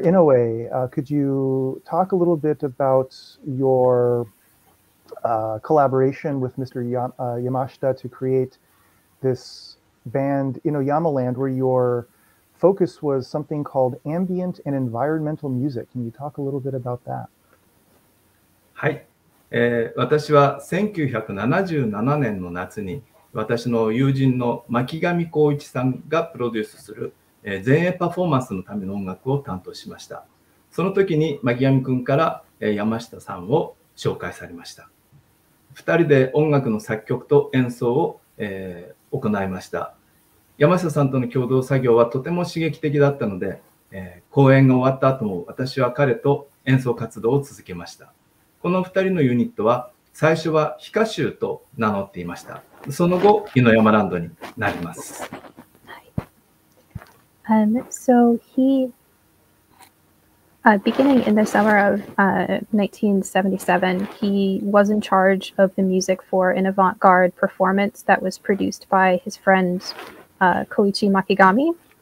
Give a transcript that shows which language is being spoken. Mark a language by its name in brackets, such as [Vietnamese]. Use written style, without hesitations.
[English] Inoue, could you talk a little bit about your collaboration with Mr. Yamashita to create this band Inoyama Land, where your focus was something called ambient and environmental music? Can you talk a little bit about that? Hi. [Japanese] 私は1977年の夏に私の友人の巻上浩一さんがプロデュースする前衛パフォーマンスのための音楽を担当しました。その時に巻上君から山下さんを紹介されました。 2人で音楽の作曲と演奏を行いました。山下さんとの共同作業はとても刺激的だったので、公演が終わった後も私は彼と演奏活動を続けました。この2人のユニットは最初はヒカシューと名乗っていました。その後、イノヤマランドになります。 [English] So he, beginning in the summer of 1977, he was in charge of the music for an avant-garde performance that was produced by his friend Koichi Makigami.